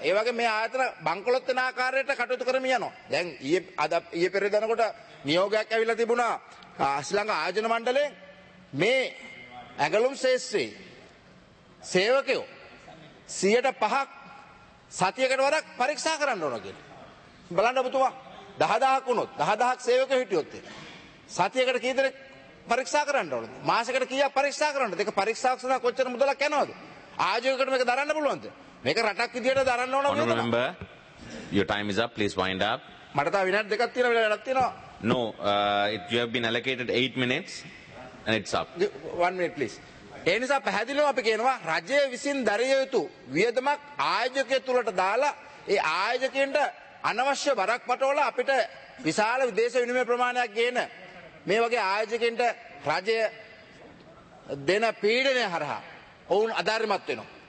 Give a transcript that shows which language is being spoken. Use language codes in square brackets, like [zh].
[si] ඒ වගේ මේ ආයතන බංකොලොත් වෙන ආකාරයට කටයුතු කරමින් යනවා. දැන් ඊයේ පෙරේ දනකොට නියෝගයක් ඇවිල්ලා තිබුණා ශ්‍රී ලංකා ආයෝජන මණ්ඩලයේ මේ ඇඟලුම් ශේෂ්ත්‍රයේ සේවකයෝ 5%ක් සතියකට වරක් පරීක්ෂා කරන්න ඕන කියලා. බලන්න ඔබතුමා 10,000ක් වුණොත් 10,000ක් සේවකයෝ හිටියොත් සතියකට කී දෙනෙක් පරීක්ෂා කරන්න ඕනද? මාසෙකට කීයක් පරීක්ෂා කරන්නද? ඒක පරීක්ෂා කරන කොච්චර මුදලක් යනවද? ආයෝජකකට මේක දරන්න පුළුවන්ද? මේක රටක් විදියට දරන්න ඕන නේද? [en] Honorable your time is up please wind up. [si] මට තව විනාඩි දෙකක් තියෙනවා වෙලාවක් තියෙනවා. [en] No you have been allocated 8 minutes and it's up. 1 minute please. [si] ඒ නිසා පැහැදිලිව අපි කියනවා රජයේ විසින් දරිය යුතු වියදමක් ආයෝජකය තුලට දාලා ඒ ආයෝජකයන්ට අනවශ්‍ය බරක් පටවලා අපිට විශාල විදේශ විනිමය ප්‍රමාණයක් ගේන මේ වගේ ආයෝජකයන්ට රජය දෙන පීඩනය හරහා ඔවුන් අධර්මවත් වෙනවා.